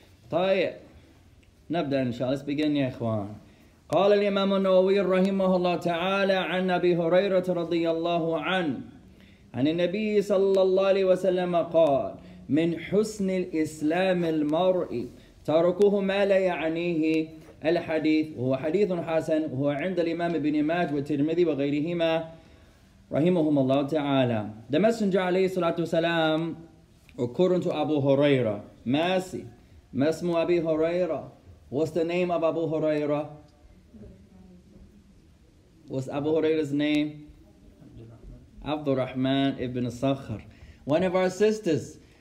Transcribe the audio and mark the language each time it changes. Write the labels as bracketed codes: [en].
[ar] Tayyip. Nabda, inshallah. [en] Let's begin, ya ikhwan. [ar] Qala al-imam an-Nawawi rahimahullah ta'ala an Abi Hurairah radiyallahu an. An Nabi sallallahu alayhi wa sallam qala. من حسن الإسلام المرء تركوه ما لا يعنيه الحديث وهو حديث حسن وهو عند الإمام ابن ماجه والترمذي وغيرهما رحمهم الله تعالى. [en] The Messenger [ar] عليه الصلاة والسلام [en] according to Abu Huraira. [ar] ماسي ما اسم أبي هريرة؟ [en] What's the name of Abu Huraira? What's Abu Huraira's name? Abdul Rahman ibn Sakhr. One of our sisters.